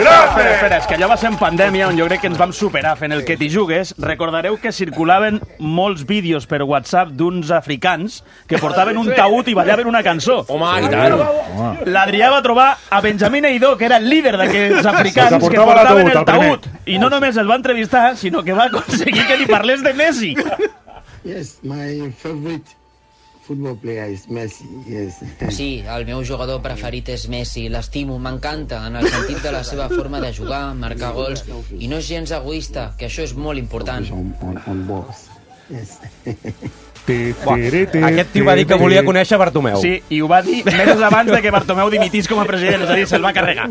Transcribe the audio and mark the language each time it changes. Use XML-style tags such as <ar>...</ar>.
<ca>Espera, és que allò va ser en pandèmia, on jo crec que ens vam superar fent el que t'hi jugues. Recordareu que circulaven molts vídeos per WhatsApp d'uns africans que portaven un taüt i ballaven una cançó. Home, i tant. L'Adrià va trobar a Benjamín Eidó, que era el líder d'aquests africans que portaven el taüt. I no només el va entrevistar, sinó que va aconseguir que li parlés de Messi.</ca> <en>Yes, my favorite football player is Messi, yes.</en> <ca>Sí, el meu jugador preferit és Messi. L'estimo, m'encanta, en el sentit de la seva forma de jugar, marcar gols, i no és gens egoista, que això és molt important.</ca> <en>On boss. Yes.</en> <ca>Aquest tio va dir que volia conèixer Bartomeu. Sí, i ho va dir mesos abans de que Bartomeu dimitís com a president, és a dir, se'l va carregar.</ca>